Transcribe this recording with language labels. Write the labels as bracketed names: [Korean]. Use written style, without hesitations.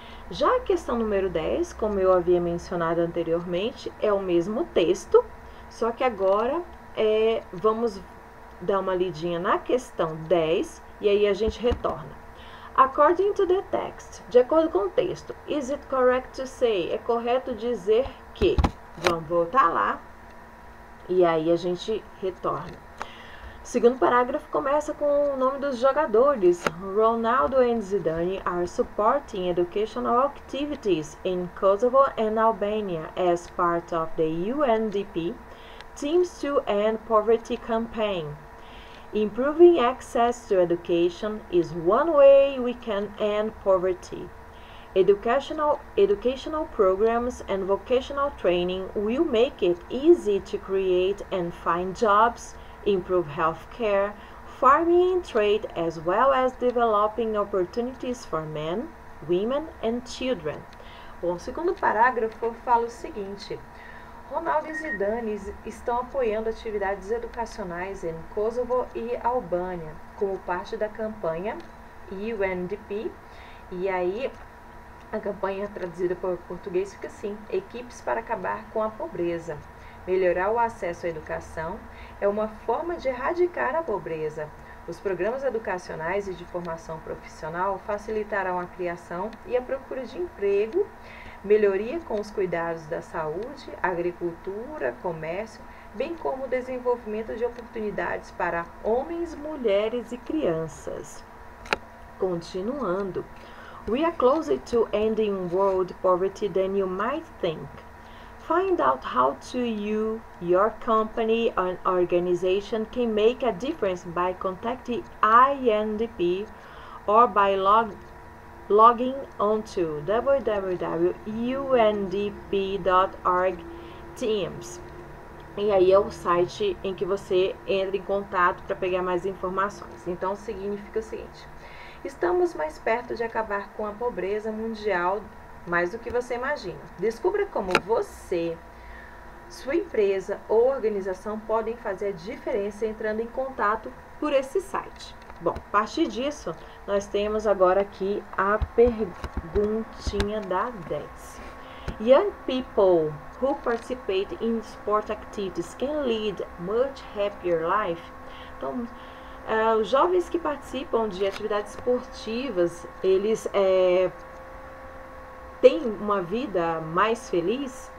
[Portuguese] Já a questão número 10, como eu havia mencionado anteriormente, é o mesmo texto, só que agora vamos dar uma lidinha na questão 10 e aí a gente retorna. [English] According to the text, [Portuguese] de acordo com o texto, [English] is it correct to say? [Portuguese] É correto dizer que? Vamos voltar lá. E aí a gente retorna. O segundo parágrafo começa com o nome dos jogadores. [English] Ronaldo and Zidane are supporting educational activities in Kosovo and Albania as part of the UNDP Teams to End Poverty Campaign. Improving access to education is one way we can end poverty. Educational programs and vocational training will make it easy to create and find jobs, improve health care, farming and trade, as well as developing opportunities for men, women and children. [Portuguese] Bom, o segundo parágrafo fala o seguinte: Ronaldo e Zidane estão apoiando atividades educacionais em Kosovo e Albânia como parte da campanha UNDP. E aí, a campanha traduzida para o português fica assim: Equipes para acabar com a pobreza. Melhorar o acesso à educação é uma forma de erradicar a pobreza. Os programas educacionais e de formação profissional facilitarão a criação e a procura de emprego, melhoria com os cuidados da saúde, agricultura, comércio, bem como o desenvolvimento de oportunidades para homens, mulheres e crianças. Continuando. [English] We are closer to ending world poverty than you might think. Find out how to you, your company, or organization can make a difference by contacting INDP or by logging onto www.undp.org Teams. [Portuguese] E aí é o site em que você entra em contato para pegar mais informações. Então, significa o seguinte: estamos mais perto de acabar com a pobreza mundial mais do que você imagina. Descubra como você, sua empresa ou organização podem fazer a diferença entrando em contato por esse site. Bom, a partir disso, nós temos agora aqui a perguntinha da 10. [English] Young people who participate in sport activities can lead much happier life. [Portuguese] Então, os jovens que participam de atividades esportivas, eles têm uma vida mais feliz?